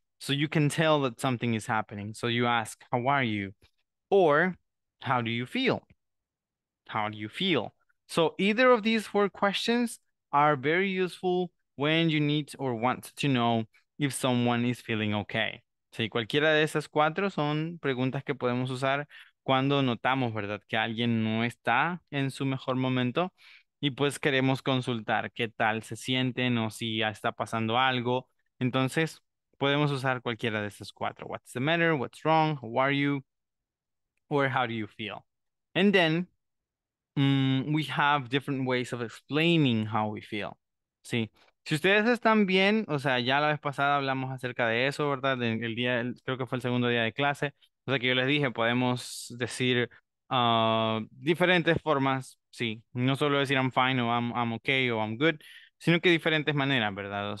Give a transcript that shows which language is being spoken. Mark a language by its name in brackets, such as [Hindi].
[English] So you can tell that something is happening. So you ask, how are you? Or how do you feel? How do you feel? So either of these four questions are very useful when you need or want to know if someone is feeling okay. [Spanish] Sí, cualquiera de esas cuatro son preguntas que podemos usar cuando notamos, ¿verdad?, que alguien no está en su mejor momento y pues queremos consultar qué tal se sienten o si ya está pasando algo. Entonces, podemos usar cualquiera de esas cuatro. [English] What's the matter? What's wrong? How are you? Or how do you feel? And then, we have different ways of explaining how we feel. [Spanish] Sí. Si ustedes están bien, o sea, ya la vez pasada hablamos acerca de eso, ¿verdad? El día, creo que fue el segundo día de clase. O sea, que yo les dije, podemos decir diferentes formas, sí. No solo decir [English] I'm fine [Spanish] o [English] I'm okay [Spanish] o [English] I'm good, [Spanish] sino que diferentes maneras, ¿verdad?